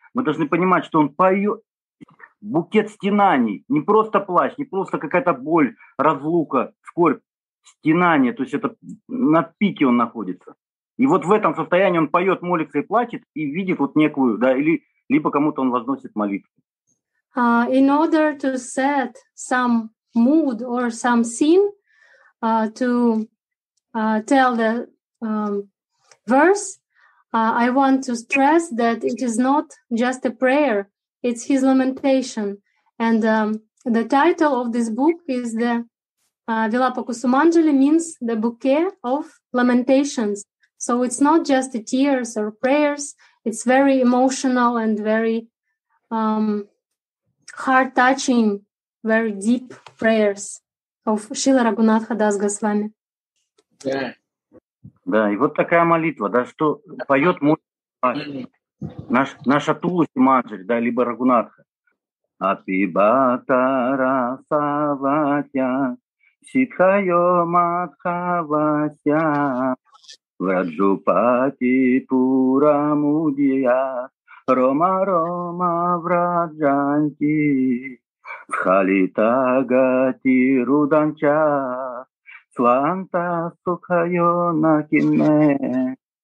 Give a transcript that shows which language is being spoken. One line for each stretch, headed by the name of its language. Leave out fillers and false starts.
Russian: Мы должны понимать, что он поет букет стенаний, не просто плач, не просто какая-то боль, разлука, скорбь, стенание. То есть это на пике он находится. И вот в этом состоянии он поет, молится и плачет, и видит вот некую, да, или либо кому-то он возносит молитву.
English: In order to set some mood or some scene, to tell the verse, I want to stress that it is not just a prayer, it's his lamentation. And the title of this book is the Vilapa Kusumanjali, means the bouquet of lamentations. So it's not just the tears or prayers, it's very emotional and very heart-touching, very deep prayers of Srila Raghunatha Das Goswami.
Russian: Да, и вот такая молитва, да, что поет молитва наша Тулуси Манджари, да, либо Рагунатха.
Sanskrit: Апибата Расаватя Ситхайо Матхавася Враджупати Пурамудия Рома Рома Враджанти Халита Гати Руданча Сланта сухайо накине,